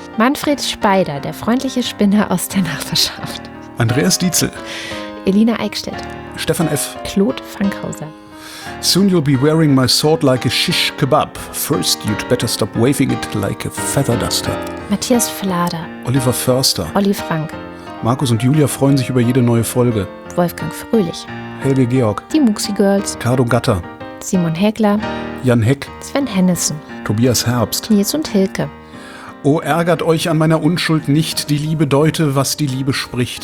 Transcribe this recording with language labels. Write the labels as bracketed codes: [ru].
[de] Manfred Speider, der freundliche Spinner aus der Nachbarschaft. Andreas Dietzel. Elina Eickstedt. Stefan F. Claude Fankhauser. [en] Soon you'll be wearing my sword like a shish kebab. First, you'd better stop waving it like a feather duster. [de] Matthias Flader. Oliver Förster. Olli Frank. Markus und Julia freuen sich über jede neue Folge. Wolfgang Fröhlich. Helge Georg. Die Muxi Girls. Cardo Gatter. Simon Häkler. Jan Heck. Sven Hennissen. Tobias Herbst. Nils und Hilke. O, ärgert euch an meiner Unschuld nicht, die Liebe deute, was die Liebe spricht.